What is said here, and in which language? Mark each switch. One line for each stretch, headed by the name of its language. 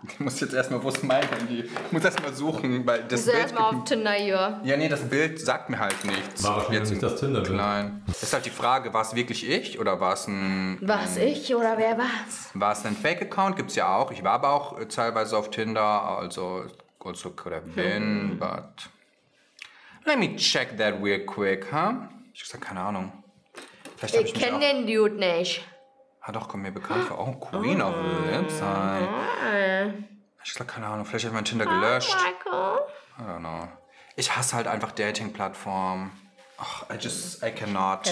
German: Ich muss jetzt erstmal, wo ist mein Handy? Ich muss erstmal suchen, weil das Bild... Erstmal auf Tinder, ja, nee, das Bild sagt mir halt nichts. War wahrscheinlich nicht das Tinder-Bild. Nein. Ist halt die Frage, war es wirklich ich oder war es ein... War es ich oder wer war's? War es ein Fake-Account? Gibt's ja auch. Ich war aber auch teilweise auf Tinder, also...
English: Also could have been, but... Let me check that real quick, huh?
German: Ich hab gesagt, keine Ahnung. Vielleicht ich kenn den Dude nicht. Ah doch, komm mir bekannt vor.
English: Oh, Queen of the Website.
German: Ich glaube, keine Ahnung, vielleicht hat mein Tinder gelöscht. Hi, Michael.
English: I don't know.
German: Ich hasse halt einfach Dating-Plattformen.
English: Ach, I cannot. Ich